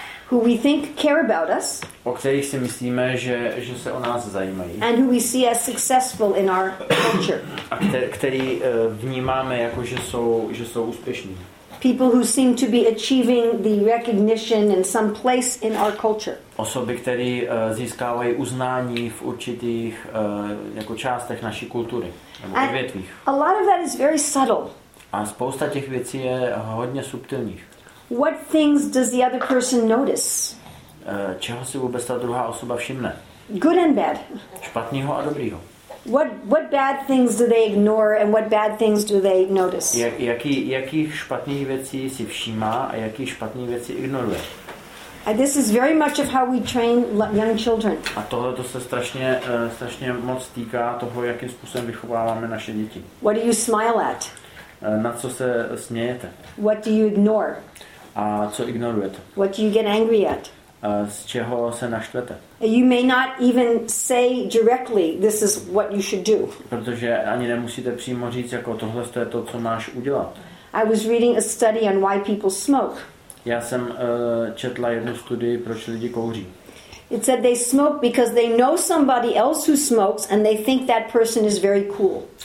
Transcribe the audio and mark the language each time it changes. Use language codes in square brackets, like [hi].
[en] Who we think care about us. [cs] O kterých si myslíme, že se o nás zajímají. [en] And who we see as successful in our culture. [cs] A který vnímáme jako že jsou úspěšní. [en] People who seem to be achieving the recognition in some place in our culture. [cs] Osoby, které získávají uznání v určitých jako částech naší kultury nebo odvětvích. [en] A lot of that is very subtle. [cs] A spousta těch věcí je hodně subtilních. [en] What things does the other person notice? [cs] Čeho si vůbec ta druhá osoba všimne? [en] Good and bad. [cs] Špatného a dobrýho. [en] What bad things do they ignore and what bad things do they notice? [cs] Jaký špatných věcí si všímá a jaký špatný věci ignoruje? [en] And this is very much of how we train young children. [cs] A tohle to se strašně moc týká toho, jakým způsobem vychováváme naše děti. [en] What do you smile at? [cs] Na co se smějete? [en] What do you ignore? [cs] A co ignorujete? [en] What do you get angry at? [cs] Z čeho se naštvete? [en] You may not even say directly, this is what you should do. [cs] Protože ani nemusíte přímo říct, jako tohle je to, co máš udělat. [en] I was reading a study on why people smoke. [cs] Já jsem četla jednu studii, proč lidi kouří. [en] It said they smoke because they know somebody else who smokes and they think that person is very cool.